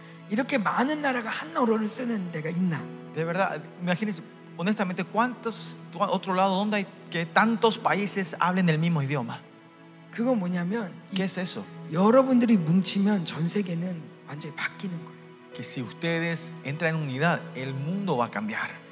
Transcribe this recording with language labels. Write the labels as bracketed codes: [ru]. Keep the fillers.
[ko] 이렇게 많은 나라가 한 언어를 쓰는 데가 있나? [es] De verdad, imagínense, honestamente, ¿cuántos otro lado donde hay que tantos países hablen el mismo idioma? [ko] 그거 뭐냐면 [es] ¿Qué es eso? [ko] 여러분들이 뭉치면 전 세계는 완전히 바뀌는 거예요. [es] Que si ustedes entran en unidad, el mundo va a cambiar.